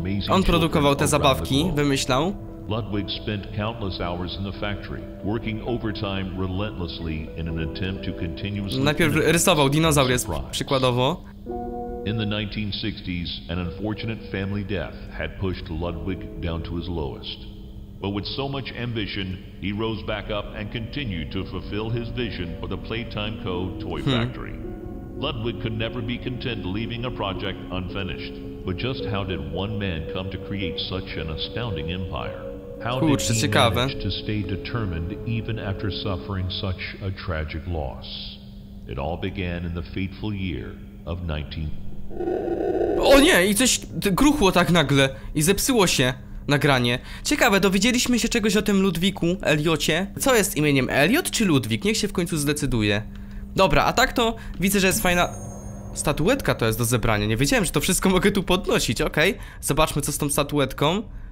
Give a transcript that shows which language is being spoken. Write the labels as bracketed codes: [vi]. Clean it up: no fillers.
[pl] On produkował te zabawki, wymyślał. [en] Ludwig spent countless hours in the factory, working overtime relentlessly in an attempt to continuously. [pl] Najpierw rysował dinozaur jest przykładowo. [en] In the 1960s, an unfortunate family death had pushed Ludwig down to his lowest. But with so much ambition, he rose back up and continued to fulfill his vision for the Playtime Co. toy factory. Ludwig could never be content leaving a project unfinished. But just how did one man come to create such an astounding empire? [pl] Kurczę, ciekawe. [en] To stay determined even after suffering such a tragic loss. It all began in the fateful year of 19. [pl] O nie, i coś gruchło tak nagle i zepsuło się nagranie. Ciekawe, dowiedzieliśmy się czegoś o tym Ludwiku, Eliocie. Co jest imieniem, Eliot czy Ludwik? Niech się w końcu zdecyduje. Dobra, a tak to widzę, że jest fajna statuetka, to jest do zebrania. Nie wiedziałem, że to wszystko mogę tu podnosić. Okej. Zobaczmy, co z tą statuetką.